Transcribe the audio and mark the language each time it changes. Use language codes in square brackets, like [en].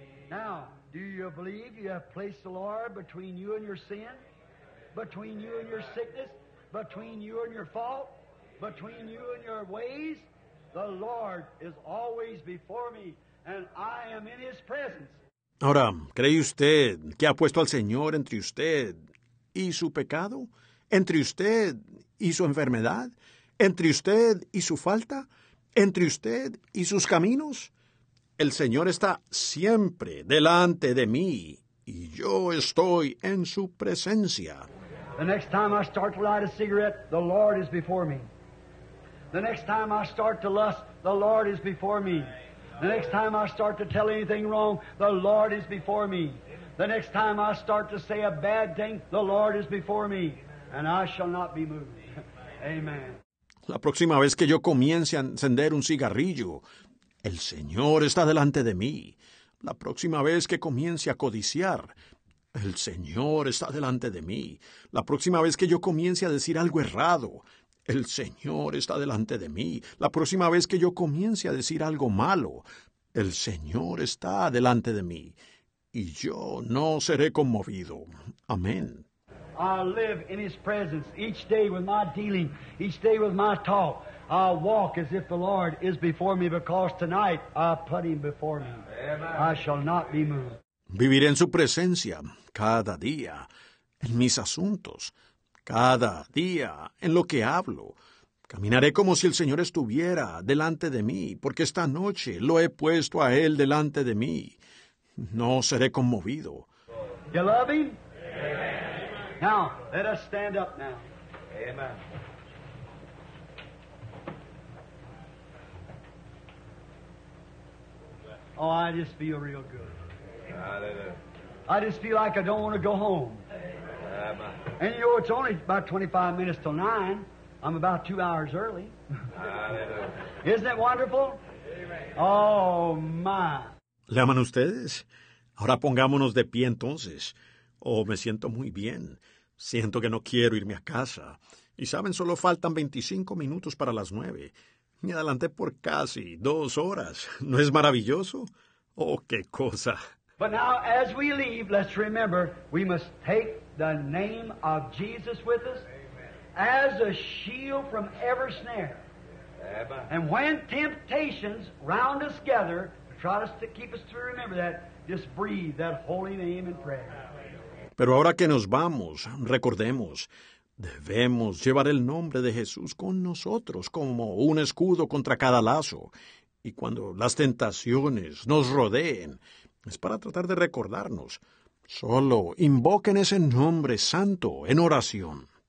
[en] Now, do you believe you have placed the Lord between you and your sin, between you and your sickness, between you and your fault, between you and your ways? The Lord is always before me, and I am in His presence. [es] Ahora, ¿cree usted que ha puesto al Señor entre usted y su pecado? ¿Entre usted y su enfermedad? ¿Entre usted y su falta? ¿Entre usted y sus caminos? El Señor está siempre delante de mí, y yo estoy en su presencia. [en] The next time I start to light a cigarette, the Lord is before me. The next time I start to lust, the Lord is before me. The next time I start to tell anything wrong, the Lord is before me. The next time I start to say a bad thing, the Lord is before me. And I shall not be moved. Amen. [es] La próxima vez que yo comience a encender un cigarrillo, el Señor está delante de mí. La próxima vez que comience a codiciar, el Señor está delante de mí. La próxima vez que yo comience a decir algo errado, El Señor está delante de mí. La próxima vez que yo comience a decir algo malo, el Señor está delante de mí. Y yo no seré conmovido. Amén. [en] I live in His presence each day with my dealing, each day with my talk. I walk as if the Lord is before me, because tonight I put Him before me. I shall not be moved. [es] Viviré en su presencia cada día, en mis asuntos, cada día, en lo que hablo. Caminaré como si el Señor estuviera delante de mí, porque esta noche lo he puesto a Él delante de mí. No seré conmovido. [en] You love Him? Amen. Now, let us stand up now. Amen. Oh, I just feel real good. Hallelujah. I just feel like I don't want to go home. Amen. And you know, it's only about 25 minutes till 9. I'm about 2 hours early. Hallelujah. Isn't that wonderful? Amen. Oh, my. [es] ¿Le aman ustedes? Ahora pongámonos de pie entonces. Oh, me siento muy bien. Siento que no quiero irme a casa. Y saben, solo faltan 25 minutos para las 9. Me adelanté por casi 2 horas. ¿No es maravilloso? Oh, qué cosa. [en] But now, as we leave, let's remember, we must take the name of Jesus with us. Amen. As a shield from every snare. Amen. And when temptations round us gather, try to keep us to remember that, just breathe that holy name in prayer. [es] Pero ahora que nos vamos, recordemos, debemos llevar el nombre de Jesús con nosotros como un escudo contra cada lazo. Y cuando las tentaciones nos rodeen, es para tratar de recordarnos. Solo invoquen ese nombre santo en oración.